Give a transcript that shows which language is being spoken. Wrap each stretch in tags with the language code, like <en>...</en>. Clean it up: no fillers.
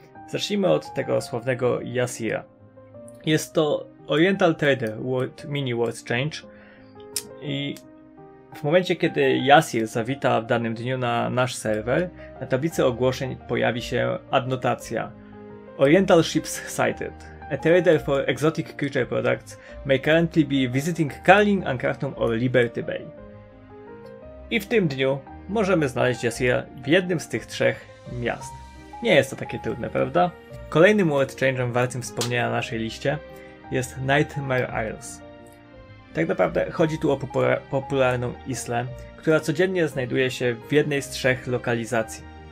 <pl>Zacznijmy od tego sławnego Yasira. Jest to Oriental Trader World Mini World Change i w momencie, kiedy Yasir zawita w danym dniu na nasz serwer, na tablicy ogłoszeń pojawi się adnotacja: Oriental Ships Sighted.</pl> <en>A trader for exotic creature products may currently be visiting Carling, Ancrafton or Liberty Bay.</en> <pl>I w tym dniu możemy znaleźć Yasira w jednym z tych trzech miast. Nie jest to takie trudne, prawda? Kolejnym world change'em wartym wspomnienia na naszej liście jest Nightmare Isles. Tak naprawdę chodzi tu o popularną islę, która codziennie znajduje się w jednej z trzech lokalizacji.</pl>